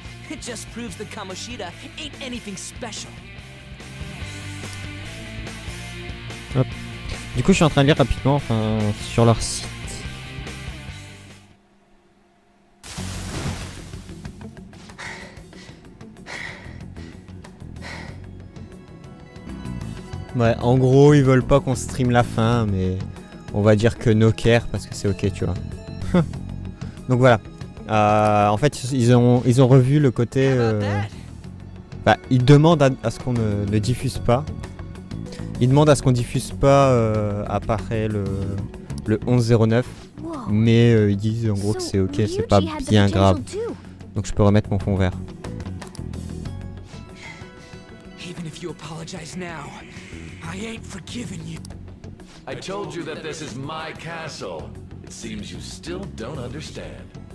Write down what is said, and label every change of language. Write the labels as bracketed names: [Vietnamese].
[English] It just proves that Kamoshida ain't anything special. Hop. [French] Du coup, je suis en train de lire rapidement sur leur site. Ouais, en gros, ils veulent pas qu'on stream la fin, mais on va dire que [English] no care, [French] parce que c'est ok, tu vois. Donc voilà. En fait, ils ont revu le côté... Bah, ils demandent à ce qu'on ne diffuse pas. Ils demandent à ce qu'on diffuse pas après le 11-09. Mais ils disent en gros que c'est ok, c'est pas bien grave. Donc je peux remettre mon fond vert. [English] Even if you apologize now, I ain't forgiven you. I told you that this is my castle. It seems you still don't understand.